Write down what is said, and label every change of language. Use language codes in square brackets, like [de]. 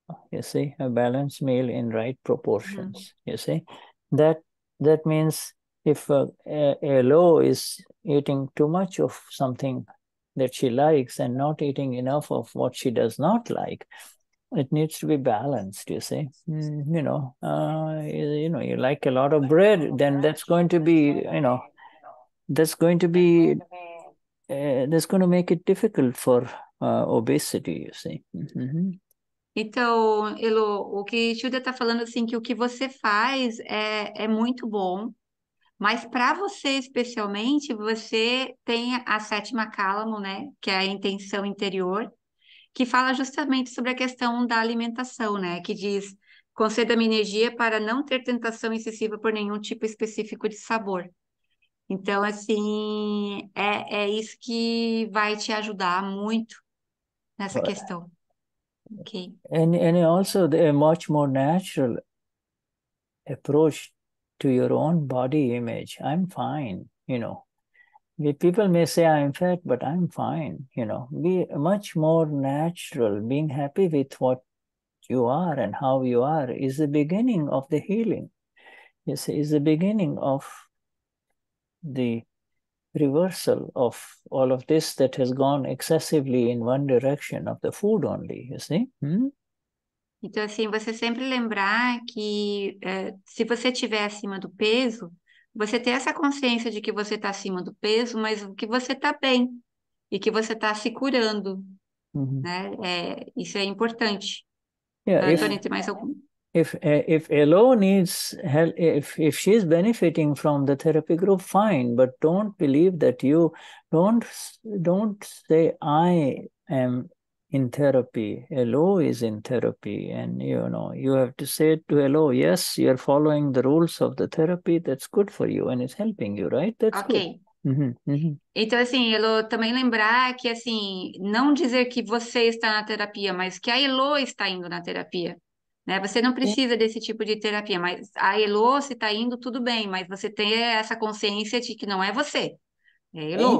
[en] You see, a balanced meal in right proportions. Mm-hmm. You see, that means if a Lo is eating too much of something that she likes and not eating enough of what she does not like, it needs to be balanced, you see. You know, you like a lot of bread, then that's going to make it difficult for obesity, you see. Mm-hmm. [pt] Então, Elo, o que Shuddha está falando, assim, que o que você faz é muito bom, mas para você especialmente, você tem a sétima cálamo, né? Que é a intenção interior, que fala justamente sobre a questão da alimentação, né? Que diz, conceda-me energia para não ter tentação excessiva por nenhum tipo específico de sabor. Então, assim, é isso que vai te ajudar muito nessa questão. [en] Okay. And also a much more natural approach to your own body image. I'm fine, you know. People may say I'm fat, but I'm fine, you know. Be much more natural. Being happy with what you are and how you are is the beginning of the healing. Yes, is the beginning of the reversal of all of this that has gone excessively in one direction of the food only, you see? [pt] Então, assim, você sempre lembrar que se você estiver acima do peso, você tem essa consciência de que você está acima do peso, mas que você está bem e que você está se curando, uh-huh. né? Isso é importante. [en] Yeah, [pt] Antônio, tem mais algum? [en] If Elo needs help, if she's benefiting from the therapy group, fine. But don't believe that you don't say I am in therapy. Elo is in therapy, and you know you have to say to Elo, yes, you are following the rules of the therapy. That's good for you, and it's helping you, right? That's okay. Good. Uhum. [pt] Então, assim, Elô, também lembrar que, assim, não dizer que você está na terapia, mas que a Elô está indo na terapia, né? Você não precisa desse tipo de terapia, mas a Elô, se está indo, tudo bem, mas você tem essa consciência de que não é você, é Elô.